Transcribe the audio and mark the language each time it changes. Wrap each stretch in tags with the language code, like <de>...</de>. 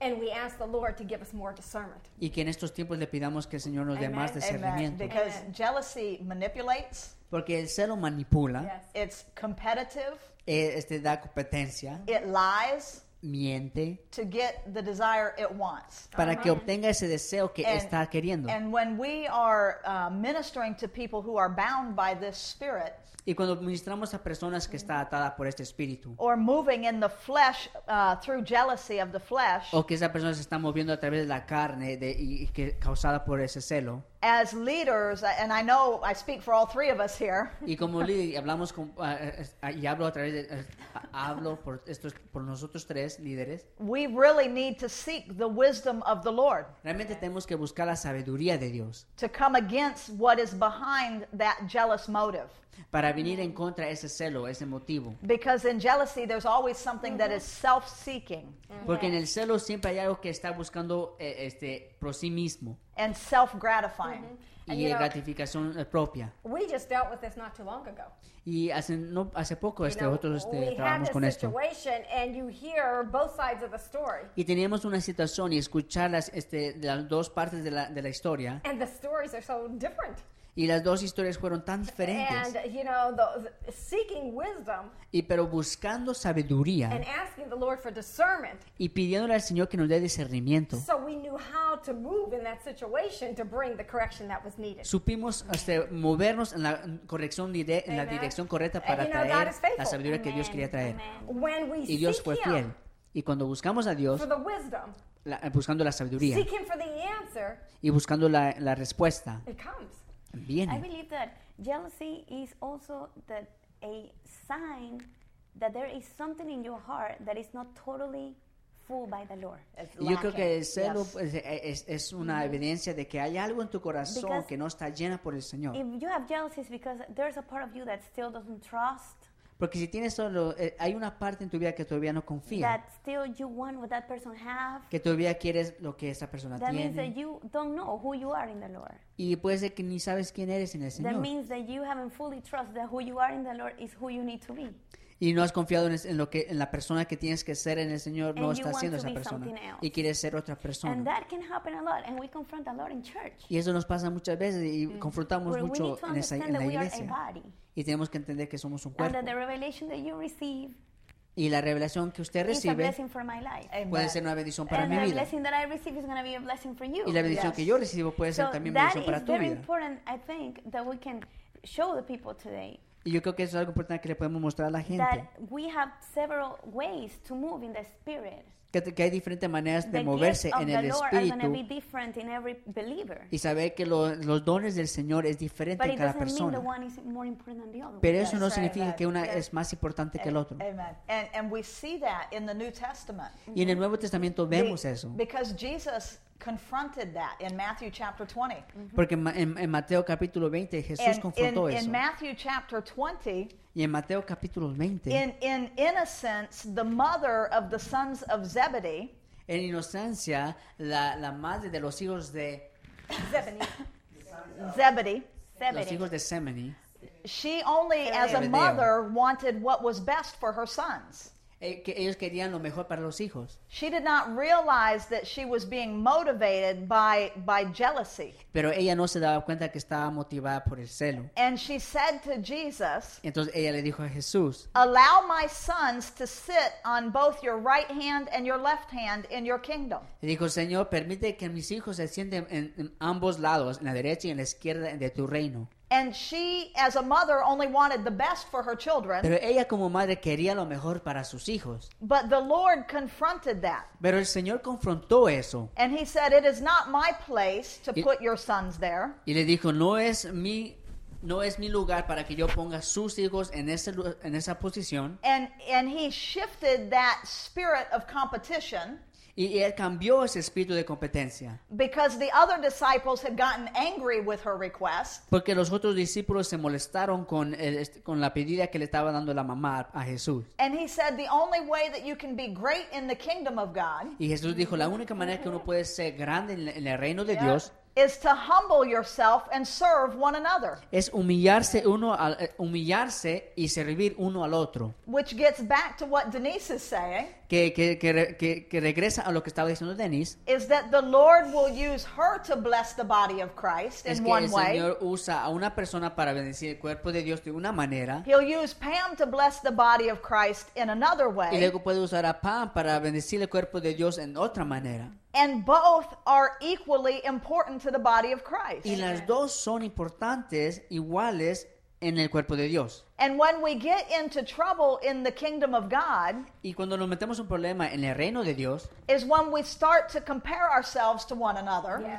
<en>And we ask the Lord to give us more discernment.</en> <es>Y que en estos tiempos le pidamos que el Señor nos dé más discernimiento.</es> <en>Amen. Because jealousy manipulates.</en> <es>Porque el celo manipula.</es> <en>Yes. It's competitive.</en> <es>Da competencia.</es> <en>It lies.</en> <es>Miente.</es> <en>To get the desire it wants.</en> <es>Para que obtenga ese deseo que está queriendo.</es> <en>And when we are ministering to people who are bound by this spirit.</en> <es>Y cuando ministramos a personas que está atada por este espíritu.</es> <en>Or moving in the flesh through jealousy of the flesh.</en> <es>O que esa persona se está moviendo a través de la carne y que causada por ese celo.</es> <en>As leaders, and I know I speak for all three of us here.</en> <es>Y como líder, hablamos con y hablo a través de hablo por estos por nosotros tres líderes.</es> <en>We really need to seek the wisdom of the Lord.</en> <es>Realmente tenemos que buscar la sabiduría de Dios.</es> <en>To come against what is behind that jealous motive.</en> <es>Para venir en contra ese celo, ese motivo.</es> <en>Because in jealousy, there's always something that is self-seeking.</en> <es>Porque en el celo siempre hay algo que está buscando por sí mismo.</es> <en>And self-gratifying.</en> <es>Y gratificación propia.</es> <en>We just dealt with this not too long ago.</en> <es>Y hace poco nosotros trabajamos con esto.</es> <en>We had a situation and you hear both sides of the story.</en> <es>Y teníamos una situación y escuchar las dos partes de la historia.</es> <en>And the stories are so different.</en> <es>Y las dos historias fueron tan diferentes.</es> <en>And, seeking wisdom.</en> <es>Pero buscando sabiduría.</es> <en>And asking the Lord for discernment.</en> <es>Y pidiéndole al Señor que nos dé discernimiento.</es> <en>So we knew how to move in that situation to bring the correction that was needed.</en> <es>Supimos movernos en la corrección en la dirección correcta para traer la sabiduría que Dios quería traer.</es> <en>When we</en> <es>y Dios fue fiel.</es> <en>Him,</en> <es>y cuando buscamos a Dios.</es> <en>For the wisdom.</en> <es>Buscando la sabiduría.</es> <en>Seek him for the answer.</en> <es>Y buscando la respuesta.</es> <en>It comes.</en> <es>Viene.</es> <en>I believe that jealousy is also that a sign that there is something in your heart that is not totally fooled by the Lord.</en> <es>Yo creo que el celo es una evidencia de que hay algo en tu corazón que no está llena por el Señor.</es> <en>If you have jealousy, it's because there's a part of you that still doesn't trust.</en> <es>Porque si tienes solo, hay una parte en tu vida que todavía no confía.</es> <en>That still you want what that person have.</en> <es>Que todavía quieres lo que esa persona</es> <en>that</en> <es>tiene.</es> <en>That means that you don't know who you are in the Lord.</en> <es>Y puede ser que ni sabes quién eres en el Señor.</es> <en>That means that you haven't fully trusted that who you are in the Lord is who you need to be.</en> <es>Y no has confiado en lo que en la persona que tienes que ser en el Señor</es> <en>and</en> <es>no está siendo esa persona y quieres ser otra persona.</es> <en>And that can happen a lot, and we confront a lot in church.</en> <es>Y eso nos pasa muchas veces y confrontamos mucho en la iglesia. Y tenemos que entender que somos un cuerpo.</es> <en>And that the revelation that you receive</en> <es>y la revelación que usted recibe</es> <en>is a blessing for my life.</en> <es>Puede ser una bendición para</es> <en>and</en> <es>mi vida.</es> <en>Blessing that I receive is going to be a blessing for you.</en> <es>Y la bendición que yo recibo puede ser</es> <en>so</en> <es>también bendición para tu</es> <en>very</en> <es>vida.</es> <en>That is important, I think, that we can show the people today.</en> <es>Y yo creo que eso es algo importante que le podemos mostrar a la gente.</es> <en>That we have several ways to move in the spirit.</en> <es>Que hay diferentes maneras de moverse en el espíritu.</es> <en>Are going to be different in every believer.</en> <es>Y saber que los dones del Señor es diferente</es> <en>but</en> <es>en cada persona.</es> <en>But it doesn't mean the one is more important than the other.</en> <es>Pero eso no significa que una es más importante que el otro.</es> <en>Amen. And we see that in the New Testament.</en> <es>Y en el Nuevo Testamento vemos eso.</es> <en>Because Jesus confronted that in Matthew chapter 20.</en> <es>Porque en Mateo capítulo 20 Jesús confrontó eso.</es> <en>In Matthew chapter 20.</en> <es>Y en Mateo capítulo 20.</es> <en>In innocence, the mother of the sons of Zebedee.</en> <es>En inocencia, la madre de los hijos de Zebedee. Los hijos de Zebedee.</es> <en>She only as a mother wanted what was best for her sons.</en> <es>Que ellos querían lo mejor para los hijos.</es> <en>She did not realize that she was being motivated by jealousy.</en> <es>Pero ella no se daba cuenta que estaba motivada por el celo.</es> <en>And she said to Jesus,</en> <es>entonces ella le dijo a Jesús,</es> <en>allow my sons to sit on both your right hand and your left hand in your kingdom.</en> <es>Y dijo, Señor, permite que mis hijos se sienten en ambos lados, en la derecha y en la izquierda de tu reino.</es> <en>And she, as a mother, only wanted the best for her children.</en> <es>Pero ella como madre quería lo mejor para sus hijos.</es> <en>But the Lord confronted that.</en> <es>Pero el Señor confrontó eso.</es> <en>And he said, it is not my place to put your sons there.</en> <es>Y le dijo, no es mi lugar para que yo ponga sus hijos en esa posición.</es> <en>And he shifted that spirit of competition.</en> <es>Y él cambió ese espíritu de competencia.</es> <en>Because the other disciples had gotten angry with her request.</en> <es>Porque los otros discípulos se molestaron con la pedida que le estaba dando la mamá a Jesús.</es> <en>And he said the only way that you can be great in the kingdom of God.</en> <es>Y Jesús dijo la única manera que uno puede ser grande en el reino de Dios</es> <en>is to humble yourself and serve one another.</en> <es>Es humillarse y servir uno al otro.</es> <en>Which gets back to what Denise is saying.</en> <es>Que regresa a lo que estaba diciendo Denise.</es> <en>Is that the Lord will use her to bless the body of Christ in one way.</en> <es>Es que el Señor usa a una persona para bendecir el cuerpo de Dios de una manera.</es> <en>He'll use Pam to bless the body of Christ in another way.</en> <es>Y luego puede usar a Pam para bendecir el cuerpo de Dios en otra manera.</es> <en>And both are equally important to the body of Christ.</en> <es>Y las dos son importantes iguales en el cuerpo de Dios.</es> <en>And when we get into trouble in the kingdom of God,</en> <es>y cuando nos metemos un problema en el reino de Dios,</es> <en>is when we start to compare ourselves to one another.</en>